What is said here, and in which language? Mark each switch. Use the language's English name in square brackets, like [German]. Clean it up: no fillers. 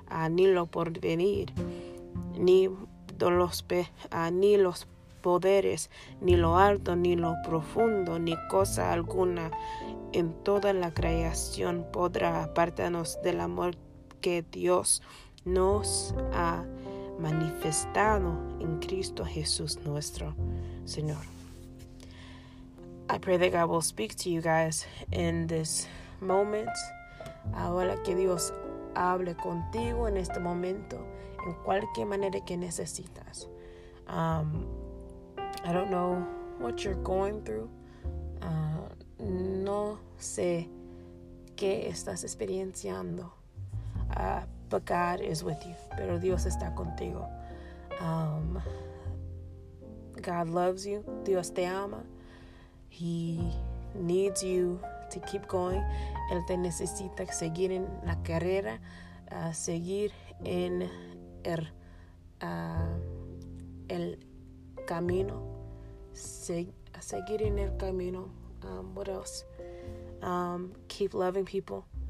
[Spanish] ni lo porvenir, ni los poderes, ni lo alto, ni lo profundo, ni cosa alguna en toda la creación podrá apartarnos del amor que Dios nos ha manifestado en Cristo Jesús nuestro Señor." [English] I pray that God will speak to you guys in this moment. [Spanish] Ahora que Dios hable contigo en este momento, en cualquier manera que necesitas. [English] I don't know what you're going through. [Spanish] No sé qué estás experienciando, [English] but God is with you. [Spanish] Pero Dios está contigo. [English] God loves you. [Spanish] Dios te ama. [English] He needs you to keep going. [Spanish] Él te necesita seguir en la carrera, seguir en el camino. Seguir en el camino. [English] What else? Keep loving people.